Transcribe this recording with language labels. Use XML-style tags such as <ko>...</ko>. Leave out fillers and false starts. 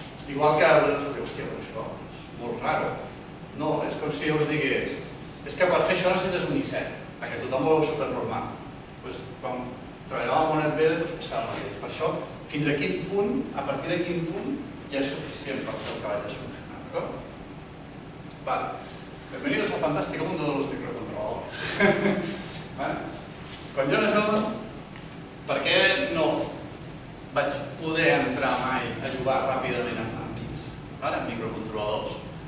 <ca>Igual que us diu, hòstia, però això és molt raro. No, és com si jo us digués, és que per fer això necessites un i7, perquè tothom ho veu supernormal. Pues, quan treballava amb un embedded, doncs passava el mateix. Per això, fins a quin punt, a partir de quin punt, ja és suficient per fer el que vaig a solucionar, d'acord? Vale.</ca> <es>Bienvenidos al fantástico mundo de los microcontroladores.</es> <ca>Vale. Quan jo era jove, per què no vaig poder entrar mai a jugar ràpidament amb PICs? Vale? Amb microcontroladors.</ca>